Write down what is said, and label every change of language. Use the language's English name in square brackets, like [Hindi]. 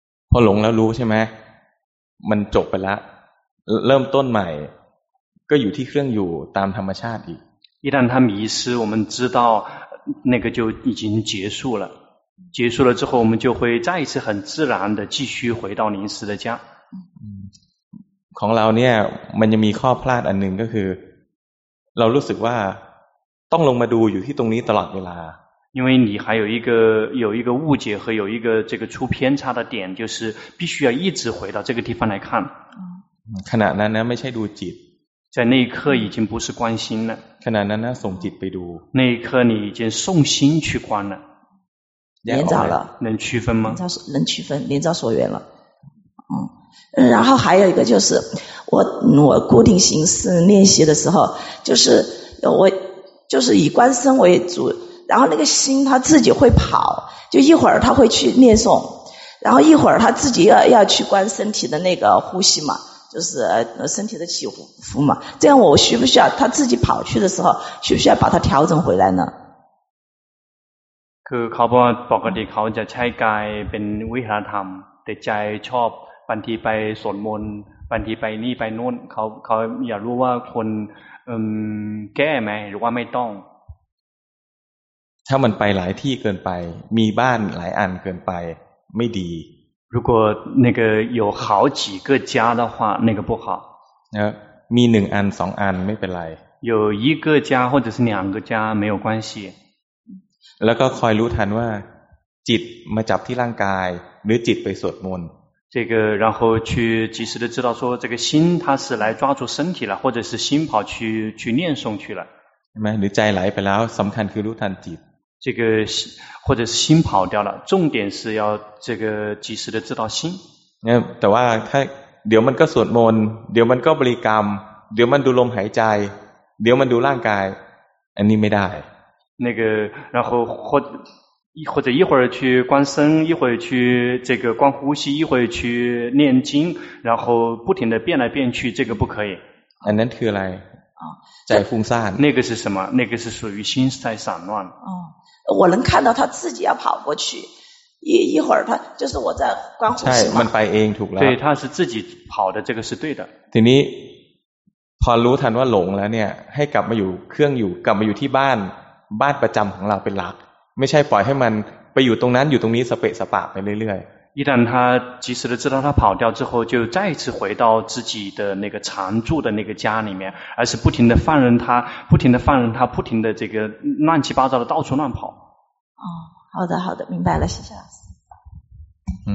[Thai] พอหลงแล้วรู้ใช่ไหมมันจบไปแล้วเริ่มต้นใหม่ก็อยู่ที่เครื่องอยู่ตามธรรมชาติอีก [Chinese] 一旦他迷失我们知道那个就已经结束了结束了之后我们就会再一次很自然的继续回到临时的家 [Thai] ของเราเนี่ยมันยังมีข้อพลาดอันหนึ่งก็คือเรารู้สึกว่าต้องลงมาดูอยู่ที่ตรงนี้ตลอดเวลา [Chinese] 因为你还有一个误解和有一个这个出偏差的点就是必须要一直回到这个地方来看 [Thai] ขณะนั้นนะไม่ใช่ดูจิต [Chinese] 在那一刻已经不是关心了 [Thai] ขณะนั้นนะส่งจิตไปดู [Chinese] 那一刻你已经送心去观了连着了能区分吗能区分连着所缘了然后还有一个就是我固定形式练习的时候就是我就是以观身为主然后那个心他自己会跑就一会儿他会去念诵然后一会儿他自己要去观身体的那个呼吸嘛就是身体的起伏嘛这样我需不需要他自己跑去的时候需不需要把它调整回来呢 [Thai] คือเขาบอกปกติเขาจะใช้กายเป็นวิหารธรรมแต่ใจชอบบางทีไปสวดมนต์บางทีไปนี่ไปนู่นเขาอยากรู้ว่าคนแก้ไหมหรือว่าไม่ต้อง ถ้ามันไปหลายที่เกินไปมีบ้านหลายอันเกินไปไม่ดี [Chinese] 如果那个有好几个家的话那个不好 [Thai] มี1อัน2อันไม่เป็นไร [Chinese] 有一个家或者是两个家没有关系 [Thai] แล้วก็คอยรู้ทันว่าจิตมาจับที่ร่างกายหรือจิตไปสวดมนต์ [Chinese] 这个然后去及时的知道说这个心它是来抓住身体了或者是心跑去念诵去了 [Thai] ใช่ไหมหรือใจไหลไปแล้วสำคัญคือรู้ทันจิต [Chinese] 这个或者是心跑掉了，重点是要这个及时的知道心。 [Thai] 那แต่ว่าถ้าเดี๋ยวมันก็สวดมนต์เดี๋ยวมันก็บริกรรมเดี๋ยวมันดูลมหายใจเดี๋ยวมันดูร่างกายอันนี้ไม่ได้ [Chinese] 那个然后或者一会儿去观身，一会儿去这个观呼吸，一会儿去念经，然后不停的变来变去，这个不可以。 [Thai] อันนั้นคืออะไรใจฟุ้งซ่าน [Chinese] 那个是什么？那个是属于心在散乱。哦，我能看到他自己要跑过去，一会儿他就是我在观呼吸 [Thai] 嘛。ใช่มันไปเองถูกแล้ว [Chinese] 对，他是自己跑的，这个是对的。 [Thai] ทีนี้พอรู้ทันว่าหลงแล้วเนี่ยให้กลับมาอยู่เครื่องอยู่กลับมาอยู่ที่บ้านประจำของเราเป็นหลักไม่ใช่ปล่อยให้มันไปอยู่ตรงนั้นอยู่ตรงนี้สเปะสปะไปเรื่อย [Chinese] ๆ一旦他及时的知道他跑掉之后就再次回到自己的那个常住的那个家里面而是不停的放任他不停的放任他不停的这个乱七八糟的到处乱跑哦好的好的明白了谢谢老师